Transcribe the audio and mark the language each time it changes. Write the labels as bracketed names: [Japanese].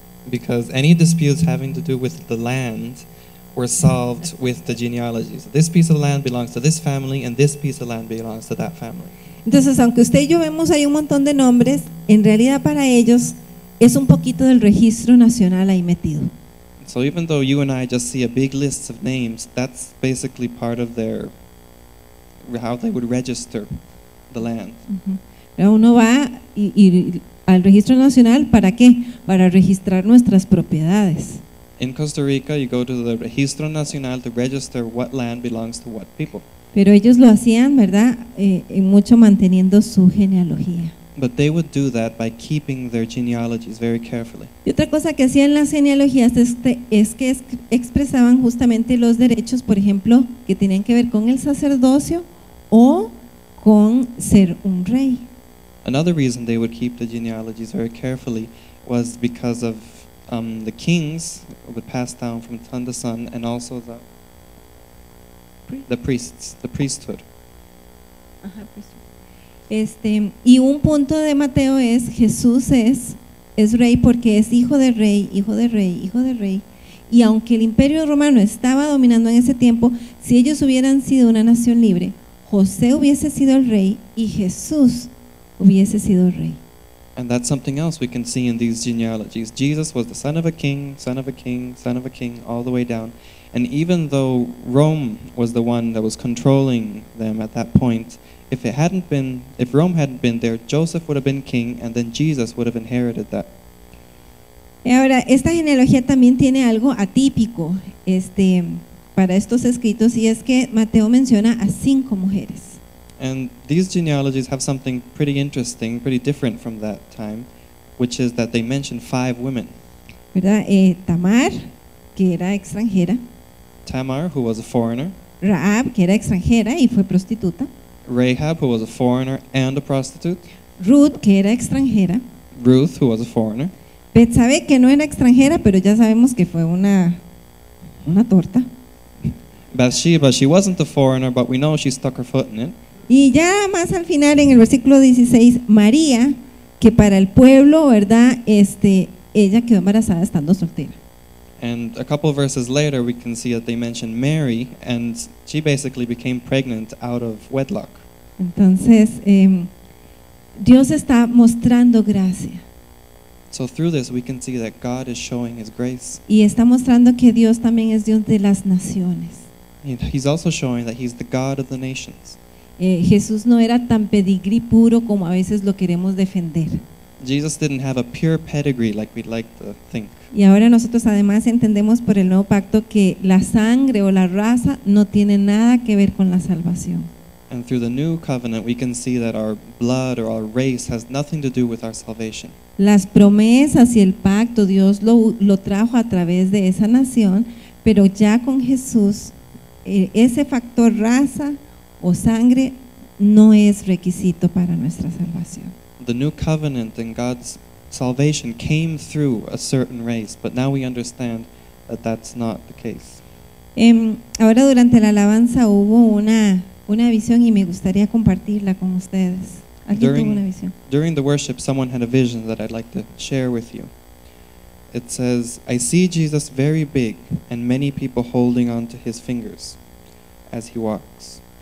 [English] Because any disputes having to do with the land were solved with the genealogies. This piece of land belongs to this family and this piece of land belongs to that family. [Spanish] Entonces, aunque usted y yo vemos ahí un montón de nombres, en realidad para ellos es un poquito del registro nacional ahí metido. [English] So even though you and I just see a big list of names, that's basically part of their how they would register the land. Uh-huh. [Spanish] Uno va y al registro nacional, ¿para qué? Para registrar nuestras propiedades. [English] In Costa Rica, you go to the Registro Nacional to register what land belongs to what people. [Spanish] Pero ellos lo hacían, ¿verdad? Mucho manteniendo su genealogía. [English] But they would do that by keeping their genealogies very carefully. [Spanish] Y otra cosa que hacían las genealogías es que expresaban justamente los derechos, por ejemplo, que tenían que ver con el sacerdocio o con ser un rey. [English] Another reason they would keep the genealogies very carefully was because of the kings would pass down from son to son, and also the priesthood. [Spanish] Y un punto de Mateo es Jesús es rey porque es hijo de rey, y aunque el imperio romano estaba dominando en ese tiempo, si ellos hubieran sido una nación libre, José hubiese sido el rey y Jesús hubiese sido rey. [English] And that's something else we can see in these genealogies. Jesus was the son of a king, son of a king, son of a king, all the way down. And even though Rome was the one that was controlling them at that point, if Rome hadn't been there, Joseph would have been king, and then Jesus would have inherited that. [Spanish] Ahora, esta genealogía también tiene algo atípico para estos escritos, y es que Mateo menciona a 5 mujeres. [English] And these genealogies have something pretty interesting, pretty different from that time, which is that they mention 5 women. [Spanish] ¿Verdad? Tamar, que era extranjera. [English] Tamar, who was a foreigner. [Spanish] Rahab, que era extranjera y fue prostituta. [English] Rahab, who was a foreigner and a prostitute. [Spanish] Ruth, que era extranjera. [English] Ruth, who was a foreigner. [Spanish] Betsabé, que no era extranjera, pero ya sabemos que fue una torta. [English] Bathsheba, she wasn't a foreigner, but we know she stuck her foot in it. [Spanish] Y ya más al final, en el versículo 16, María, que para el pueblo, ¿verdad? Ella quedó embarazada estando soltera. [English] And a couple of verses later, we can see that they mention Mary, and she basically became pregnant out of wedlock. [Spanish] Entonces, Dios está mostrando gracia. [English] So through this, we can see that God is showing his grace. [Spanish] Y está mostrando que Dios también es Dios de las naciones. [English] He's also showing that he's the God of the nations. [Spanish] Jesús no era tan pedigrí puro como a veces lo queremos defender. [English] Jesus didn't have a pure pedigree like we'd like to think. [Spanish] Y ahora nosotros además entendemos por el nuevo pacto que la sangre o la raza no tiene nada que ver con la salvación. [English] And through the new covenant we can see that our blood or our race has nothing to do with our salvation. [Spanish] Las promesas y el pacto Dios lo trajo a través de esa nación, pero ya con Jesús ese factor raza o sangre no es requisito para nuestra salvación. [English] The new covenant and God's salvation came through a certain race, but now we understand that that's not the case. [Spanish] Ahora durante la alabanza hubo una visión y me gustaría compartirla con ustedes. ¿Alguien tuvo una visión? [English] During the worship, someone had a vision that I'd like to share with you. It says, I see Jesus very big and many people holding on to his fingers as he walks.